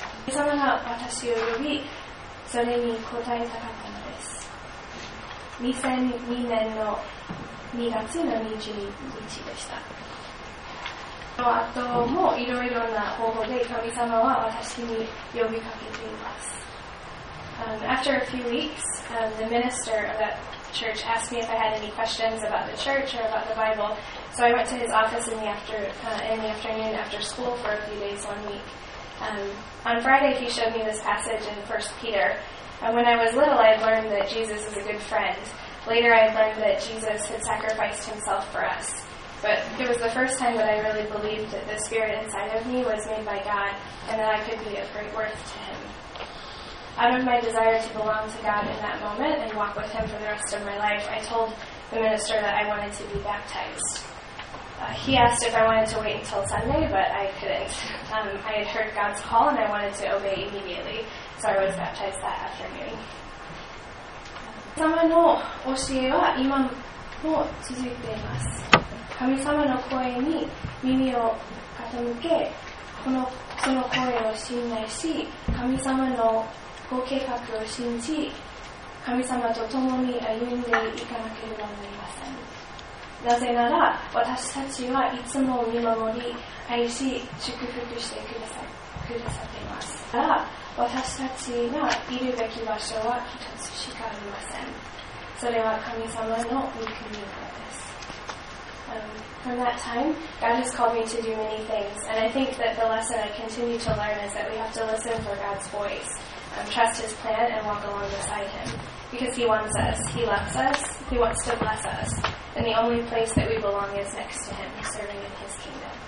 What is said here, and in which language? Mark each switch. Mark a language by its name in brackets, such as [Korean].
[Japanese] 神様が私を呼び、それに応えたかったのです。 2002年の2月の22日でした。その後もいろいろな方法で神様は私に呼びかけています。 [English] After a few weeks, the minister of that church asked me if I had any questions about the church or about the Bible. So I went to his office in the afternoon after school for a few days, 1 week. On Friday, he showed me this passage in 1 Peter. And when I was little, I had learned that Jesus is a good friend. Later, I had learned that Jesus had sacrificed himself for us. But it was the first time that I really believed that the spirit inside of me was made by God and that I could be of great worth to him. out of my desire to belong to God in that moment and walk with Him for the rest of my life, I told the minister that I wanted to be baptized. He asked if I wanted to wait until Sunday, but I couldn't. I had heard God's call, and I wanted to obey immediately, so I was baptized that afternoon. [Japanese] 神様の教えは今も続いています。神様の声に耳を傾け、その声を信頼し、神様のご計画を信じ、神様と共に歩んでいかなければなりません。なぜなら、私たちはいつも見守り、愛し、祝福してくださっています。だから、私たちがいるべき場所は一つしかありません。それは神様の御国です。 [English] From that time, God has called me to do many things, and I think that the lesson I continue to learn is that we have to listen for God's voice, trust His plan, and walk along beside Him. Because He wants us, He loves us, He wants to bless us, and the only place that we belong is next to Him, serving in His kingdom.